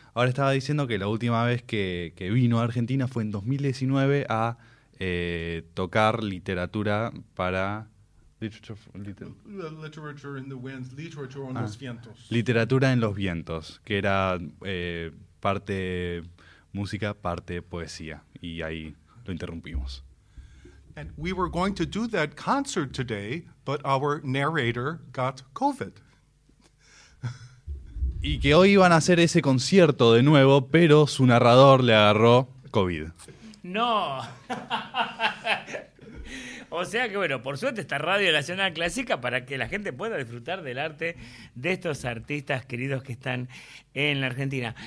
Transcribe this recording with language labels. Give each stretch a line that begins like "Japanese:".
Spanish: Ahora estaba diciendo que la última vez que vino a Argentina fue en 2019 a tocar literatura para...
English: Literature in the winds, literature on
Spanish: los vientos. Literatura en los vientos, que era parte música, parte poesía, y ahí lo interrumpimos.
English: And we were going to do that concert today, but our narrator got COVID.
Spanish: Y que hoy iban a hacer ese concierto de nuevo, pero su narrador le agarró COVID. No. O sea que, bueno, por suerte está Radio Nacional Clásica para que la gente pueda disfrutar del arte de estos artistas queridos que están en la Argentina.